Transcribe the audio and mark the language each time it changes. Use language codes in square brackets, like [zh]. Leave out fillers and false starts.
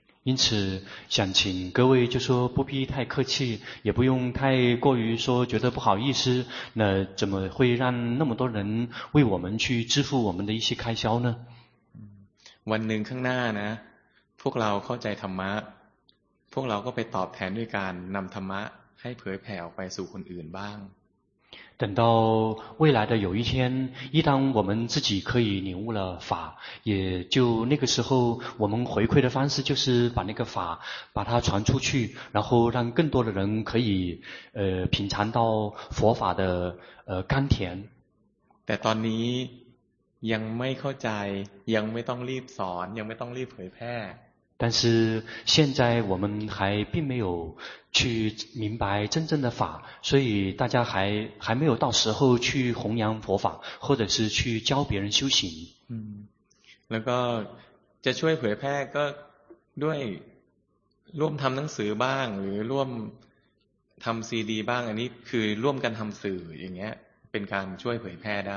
[zh] 因此想请各位就说不必太客气，也不用太过于说觉得不好意思，那怎么会让那么多人为我们去支付我们的一些开销呢？ [th] วันหนึ่งข้างหน้านะพวกเราเข้าใจธรรมะพวกเราก็ไปตอบแทนด้วยการนำธรรมะให้เผยแผ่ออกไปสู่คนอื่นบ้าง [zh] 等到未来的有一天，一旦我们自己可以领悟了法，也就那个时候，我们回馈的方式就是把那个法把它传出去，然后让更多的人可以品尝到佛法的甘甜。 [th] แต่ตอนนี้ยังไม่เข้าใจยังไม่ต้องรีบสอนยังไม่ต้องรีบเผยแพร่ [zh] 但是现在我们还并没有去明白真正的法，所以大家还没有到时候去弘扬佛法，或者是去教别人修行。 [th] 嗯，แล้วก็จะช่วยเผยแพร่ก็ด้วยร่วมทำหนังสือบ้างหรือร่วมทำซีดีบ้างอันนี้คือร่วมกันทำสื่ออย่างเงี้ยเป็นการช่วยเผยแพร่ได